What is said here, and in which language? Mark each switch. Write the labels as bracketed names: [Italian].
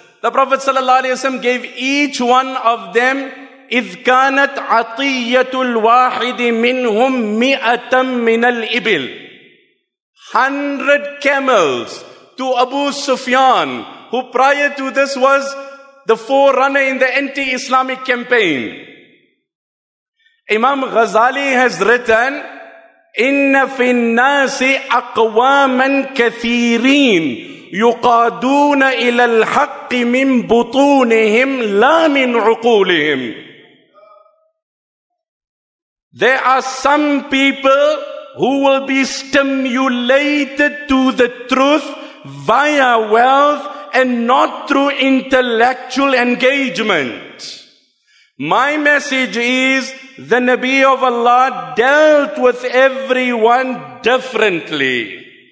[English] The Prophet sallallahu alayhi wa sallam gave each one of them, [Arabic] إِذْ كَانَتْ عَطِيَّةُ الْوَاحِدِ مِنْهُمْ مِئَةً مِنَ الْإِبِلِ. [English] 100 camels to Abu Sufyan, who prior to this was the forerunner in the anti-Islamic campaign. Imam Ghazali has written, [Arabic] إِنَّ فِي النَّاسِ أَقْوَامًا كَثِيرِينَ يُقَادُونَ إِلَى الْحَقِّ مِنْ بُطُونِهِمْ لَا مِنْ عُقُولِهِمْ. [English] There are some people who will be stimulated to the truth via wealth and not through intellectual engagement. My message is, the Nabi of Allah dealt with everyone differently.